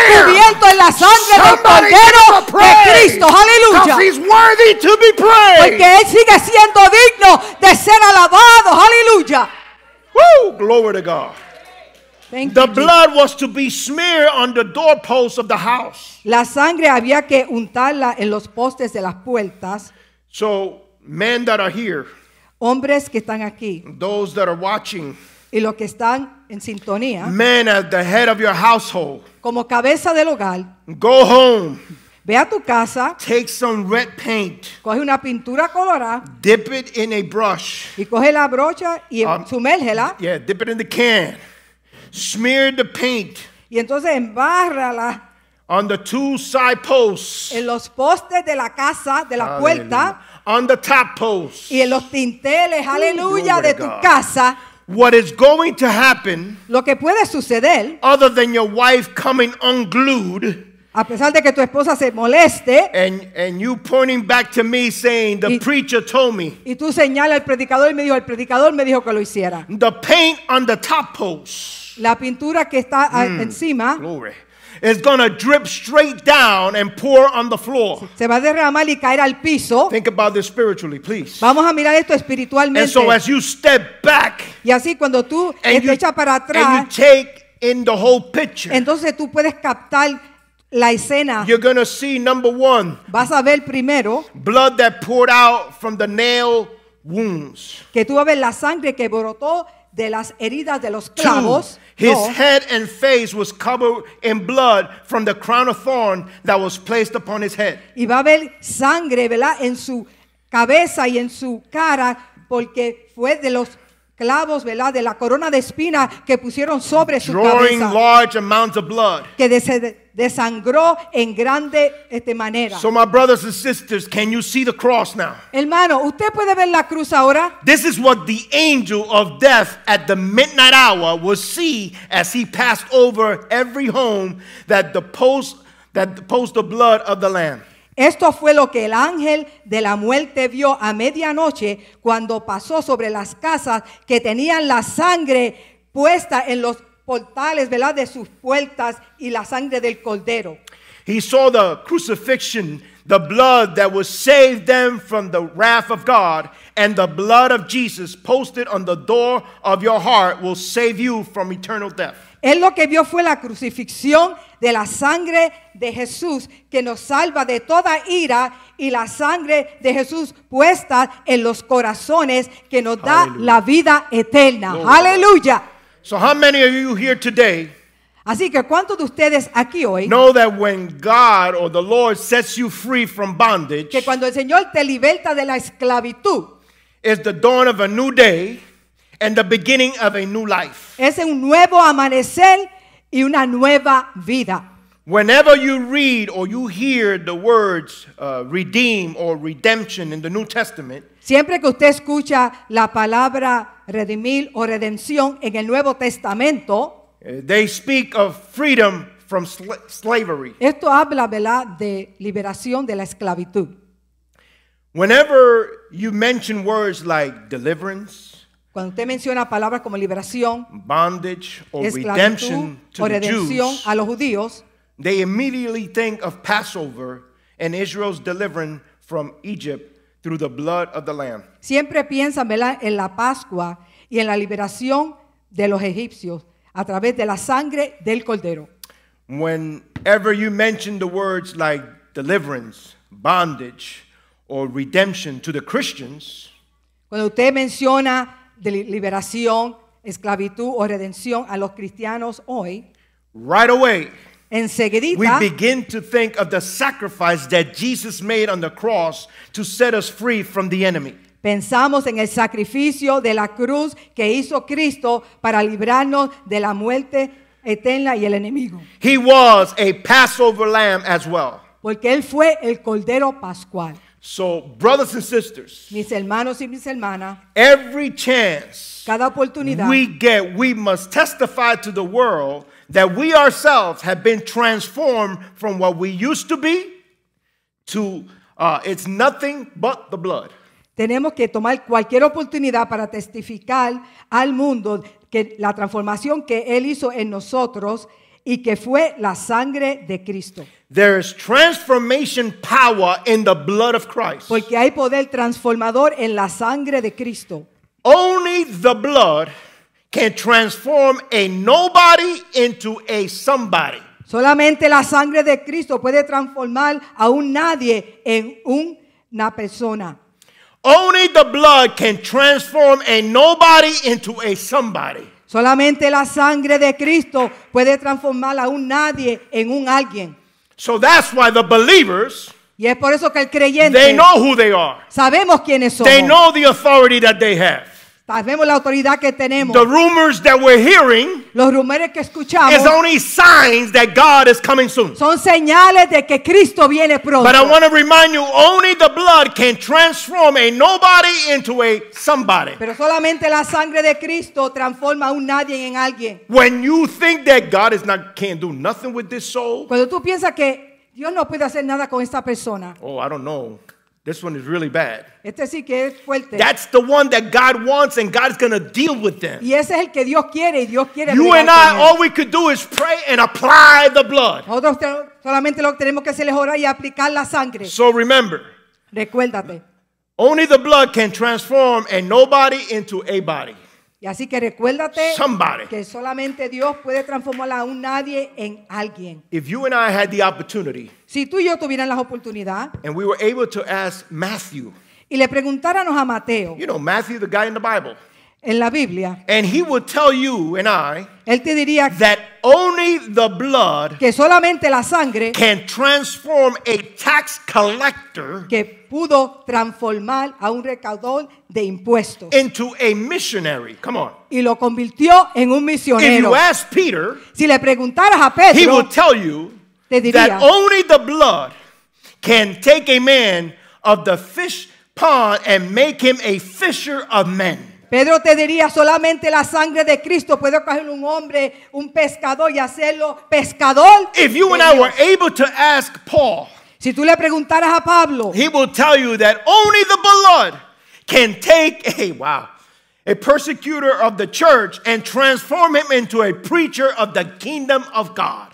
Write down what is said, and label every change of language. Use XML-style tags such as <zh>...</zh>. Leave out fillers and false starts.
<es>Yo estoy cubierto en la sangre del Cordero de Cristo. Aleluya.</es> <en>Because he's worthy to be praised.</en> <es>Porque él sigue siendo digno de ser alabado. Aleluya.</es> <en>Woo, glory to God. Thank the you, blood was to be smeared on the doorposts of the house.</en> <es>La sangre había que untarla en los postes de las puertas.</es> <en>So, men that are here.</en> <es>Hombres que están aquí.</es> <en>Those that are watching.</en> <es>Y los que están en sintonía.</es> <en>Men at the head of your household.</en> <es>Como cabeza del hogar.</es> <en>Go home.</en> <es>Ve a tu casa.</es> <en>Take some red paint.</en> <es>Coge una pintura colorada.</es> <en>Dip it in a brush.</en> <es>Y coge la brocha y sumérgela.</es> <en>Yeah, dip it in the can. Smear the paint.</en> <es>Y entonces embárrala.</es> <en>On the two side posts.</en> <es>En los postes de la casa, de la puerta.</es> <en>On the top posts.</en> <es>Y en los tinteles, aleluya, de tu casa.</es> <en>What is going to happen?</en> <es>Lo que puede suceder.</es> <en>Other than your wife coming unglued.</en> <es>A pesar de que tu esposa se moleste.</es> <en>And you pointing back to me saying, the preacher told me.</en> <es>Y tú señala al predicador y me dijo, el predicador me dijo que lo hiciera.</es> <en>The paint on the top post.</en> <es>La pintura que está encima.</es> <en>Glory. It's going to drip straight down and pour on the floor.</en> <es>Se va a derramar y caer al piso.</es> <en>Think about this spiritually, please.</en> <es>Vamos a mirar esto espiritualmente.</es> <en>And so as you step back.</en> <es>Y así cuando tú te echas para atrás.</es> <en>And you take in the whole picture.</en> <es>Entonces tú puedes captar la escena.</es> <en>You're going to see number one.</en> <es>Vas a ver primero.</es> <en>Blood that poured out from the nail wounds.</en> <es>Que tú vas a ver la sangre que brotó de las heridas de los clavos.</es> <en>Two, his head and face was covered in blood from the crown of thorn that was placed upon his head.</en> <es>Y va a haber sangre, ¿verdad?, en su cabeza y en su cara porque fue de los clavos, ¿verdad?, de la corona de espina que pusieron sobre su cabeza.</es> <en>Drawing large amounts of blood.</en> <es>Que desangró en grande manera.</es> <en>So my brothers and sisters, can you see the cross now?</en> <es>Hermano, ¿usted puede ver la cruz ahora?</es> <en>This is what the angel of death at the midnight hour will see as he passed over every home that deposed the blood of the Lamb.</en> <es>Esto fue lo que el ángel de la muerte vio a medianoche cuando pasó sobre las casas que tenían la sangre puesta en los portales, ¿verdad?, de sus puertas y la sangre del cordero.</es> <en>He saw the crucifixion, the blood that would save them from the wrath of God, and the blood of Jesus posted on the door of your heart will save you from eternal death.</en> <es>Él lo que vio fue la crucifixión de la sangre de Jesús que nos salva de toda ira y la sangre de Jesús puesta en los corazones que nos da la vida eterna. Aleluya.</es> <en>So how many of you here today?</en> <es>Así que ¿cuántos de ustedes aquí hoy?</es> <en>Know that when God or the Lord sets you free from bondage,</en> <es>que cuando el Señor te liberta de la esclavitud,</es> <en>is the dawn of a new day and the beginning of a new life.</en> <es>Es un nuevo amanecer y una nueva vida.</es> <en>Whenever you read or you hear the words redeem or redemption in the New Testament,</en> <es>siempre que usted escucha la palabra redimir o redención en el Nuevo Testamento,</es> <en>they speak of freedom from slavery.</en> <es>Esto habla, ¿verdad?, de liberación de la esclavitud.</es> <en>Whenever you mention words like deliverance,</en> <es>cuando usted menciona palabras como liberación,</es> <en>bondage or</en> <es>esclavitud</es> <en>redemption to</en> <es>o redención</es> <en>the Jews,</en> <es>a los judíos,</es> <en>they immediately think of Passover and Israel's deliverance from Egypt through the blood of the Lamb.</en> <es>Siempre piensan, ¿verdad?, en la Pascua y en la liberación de los egipcios a través de la sangre del cordero.</es> <en>Whenever you mention the words like deliverance, bondage, or redemption to the Christians,</en> <es>cuando usted menciona de liberación, esclavitud o redención a los cristianos hoy,</es> <en>right away,</en> <es>enseguidita,</es> <en>we begin to think of the sacrifice that Jesus made on the cross to set us free from the enemy.</en> <es>Pensamos en el sacrificio de la cruz que hizo Cristo para librarnos de la muerte eterna y el enemigo.</es> <en>He was a Passover lamb as well.</en> <es>Porque él fue el cordero pascual.</es> <en>So, brothers and sisters,</en> <es>mis hermanos y mis hermanas,</es> <en>every chance</en> <es>cada oportunidad</es> <en>we get, we must testify to the world that we ourselves have been transformed from what we used to be to it's nothing but the blood.</en> <es>Tenemos que tomar cualquier oportunidad para testificar al mundo que la transformación que él hizo en nosotros y que fue la sangre de Cristo.</es> <en>There is transformation power in the blood of Christ.</en> <es>Porque hay poder transformador en la sangre de Cristo.</es> <en>Only the blood can transform a nobody into a somebody.</en> <es>Solamente la sangre de Cristo puede transformar a un nadie en una persona.</es> <en>Only the blood can transform a nobody into a somebody.</en> <es>Solamente la sangre de Cristo puede transformar a un nadie en un alguien.</es> <en>So that's why the believers,</en> <es>y es por eso que el creyente,</es> <en>they know who they are.</en> <es>Sabemos quiénes somos.</es> <en>They know the authority that they have.</en> <es>Sabemos la autoridad que tenemos.</es> <en>The rumors that we're hearing,</en> <es>los rumores que escuchamos,</es> <en>is only signs that God is coming soon.</en> <es>Son señales de que Cristo viene pronto.</es> <en>But I want to remind you, only the blood can transform a nobody into a somebody.</en> <es>Pero solamente la sangre de Cristo transforma a un nadie en alguien.</es> <en>When you think that God is not, can't do nothing with this soul,</en> <es>cuando tú piensas que Dios no puede hacer nada con esta persona,</es> <en>oh, I don't know. This one is really bad.</en> <es>Este sí que es fuerte.</es> <en>That's the one that God wants, and God is going to deal with them.</en> <es>Y ese es el que Dios quiere, y Dios quiere.</es> <en>You and I, all we could do is pray and apply the blood.</en> <es>Nosotros solamente lo que tenemos que hacer es orar y aplicar la sangre.</es> <en>So remember,</en> <es>recuérdate,</es> <en>only the blood can transform a nobody into a body.</en> <es>Y así que recuérdate,</es> <en>somebody,</en> <es>que solamente Dios puede transformar a un nadie en alguien.</es> <en>If you and I had the opportunity,</en> <es>si tú y yo tuvieran la oportunidad,</es> <en>and we were able to ask Matthew,</en> <es>y le preguntáramos a Mateo,</es> <en>you know, Matthew, the guy in the Bible,</en> <es>en la Biblia,</es> <en>and he will tell you and I</en> <es>él te diría</es> <en>that only the blood</en> <es>que solamente la sangre</es> <en>can transform a tax collector</en> <es>que pudo transformar a un recaudador de impuestos</es> <en>into a missionary. Come on.</en> <es>Y lo convirtió en un misionero.</es> <en>If you ask Peter,</en> <es>si le preguntaras a Pedro,</es> <en>he will tell you that only the blood can take a man of the fish pond and make him a fisher of men.</en> <es>Pedro te diría, solamente la sangre de Cristo puede coger un hombre, un pescador, y hacerlo pescador.</es> <en>If you and I were able to ask Paul,</en> <es>si tú le preguntaras a Pablo,</es> <en>he will tell you that only the blood can take a persecutor of the church and transform him into a preacher of the kingdom of God.</en>